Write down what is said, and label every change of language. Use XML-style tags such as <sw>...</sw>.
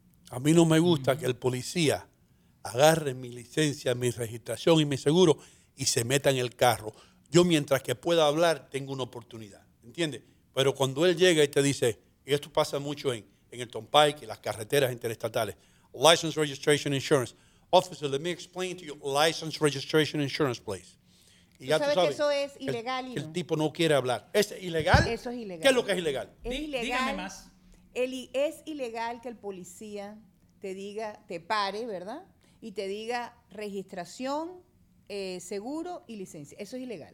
<es>A mí no me gusta que el policía agarre mi licencia, mi registración y mi seguro y se meta en el carro. Yo mientras que pueda hablar, tengo una oportunidad, ¿entiendes? Pero cuando él llega y te dice, y esto pasa mucho en el Turnpike y las carreteras interestatales,</es> <en>License Registration Insurance. Officer, let me explain to you, License Registration Insurance, please.</en> <es>Y ya tú sabes que eso es ilegal. El tipo no quiere hablar. ¿Es ilegal? Eso es ilegal. ¿Qué es lo que es ilegal? Es ilegal. Dígame más. Es ilegal que el policía te diga, te pare, ¿verdad? Y te diga registración, seguro y licencia. Eso es ilegal.</es>